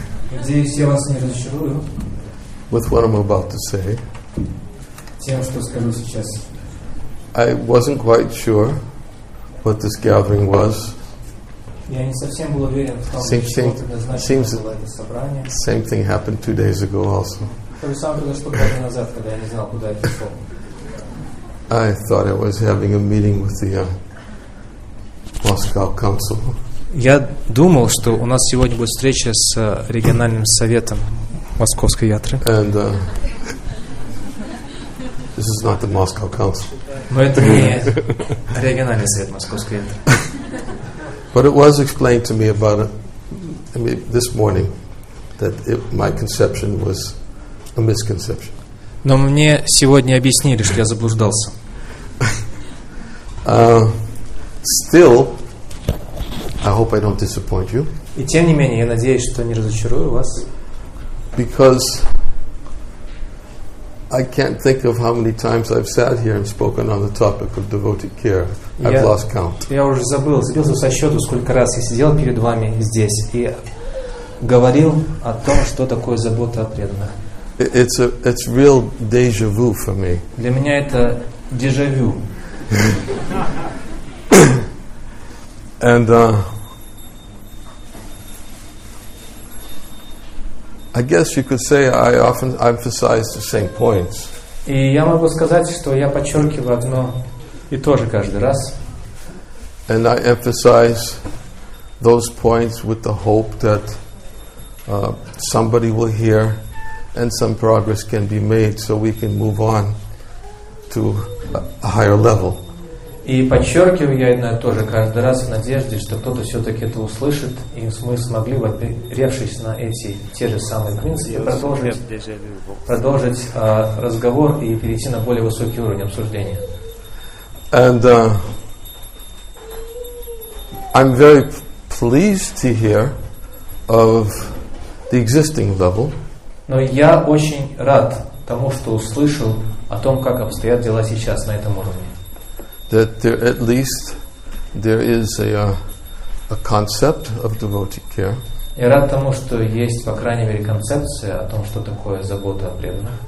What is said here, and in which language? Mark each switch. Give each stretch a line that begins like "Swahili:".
Russian: Надеюсь, я вас не разочарую.
English: With what I'm about to say.
Russian: Тем, что скажу сейчас.
English: I wasn't quite sure what this gathering was.
Russian: Я не совсем был уверен, что это было собрание.
English: Same thing happened 2 days ago also.
Russian: То же самое произошло 2 дня назад, когда я не знал, куда это шло.
English: I thought I was having a meeting with the Moscow Council.
Russian: Я думал, что у нас сегодня будет встреча с региональным советом Московской Ятры.
English: And this is not the Moscow Council.
Russian: Но это не региональный совет Московской Ятры.
English: But it was explained to me about this morning that my conception was a misconception.
Russian: Но мне сегодня объяснили, что я заблуждался.
English: Still. I hope I don't disappoint you.
Russian: И тем не менее, я надеюсь, что не разочарую вас.
English: Because I can't think of how many times I've sat here and spoken on the topic of devotee care. I've lost count.
Russian: Я уже забился со счету, сколько раз я сидел перед вами здесь и говорил о том, что такое забота о преданных.
English: It's real deja vu for me.
Russian: Для меня это дежавю.
English: And I guess you could say I often emphasize the same points.
Russian: И я могу сказать, что я подчеркиваю одно и то же каждый раз.
English: And I emphasize those points with the hope that somebody will hear and some progress can be made so we can move on to a higher level.
Russian: И подчеркиваю я одно и то же каждый раз в надежде, что кто-то все-таки это услышит, и мы смогли, воперевшись на эти те же самые принципы, продолжить разговор и перейти на более высокий уровень обсуждения.
English: And I'm very pleased to hear of the existing level.
Russian: Но я очень рад тому, что услышал о том, как обстоят дела сейчас на этом уровне.
English: That there at least there is a concept of devotee care.
Russian: Я рад тому, что есть по крайней мере концепция о том, что такое забота о преданных.